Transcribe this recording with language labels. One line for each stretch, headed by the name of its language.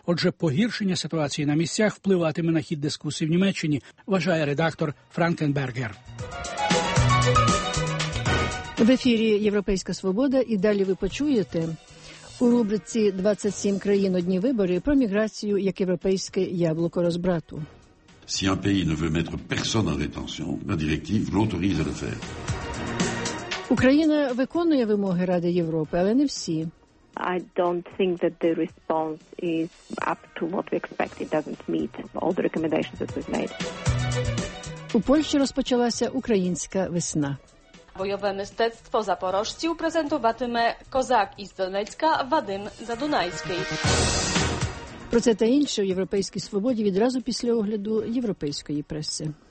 Ukrainian: Отже, погіршення ситуації на місцях впливатиме на хід дискусії в Німеччині, вважає редактор Франкенбергер. В ефірі «Європейська свобода» і далі ви почуєте у рубриці «27 країн, одні вибори» про міграцію як європейське яблуко розбрату.
French: Si un pays ne veut mettre personne en rétention, la directive l'autorise à le faire.
Ukrainian: Україна виконує вимоги Ради Європи, але не всі.
English: I don't think that the response is up to what we expect. It doesn't meet all the recommendations that we've made.
Ukrainian: У Польщі розпочалася українська весна. Бойове мистецтво запорожців презентуватиме козак із Донецька Вадим Задунайський. Про це та інше у Європейській свободі відразу після огляду європейської преси.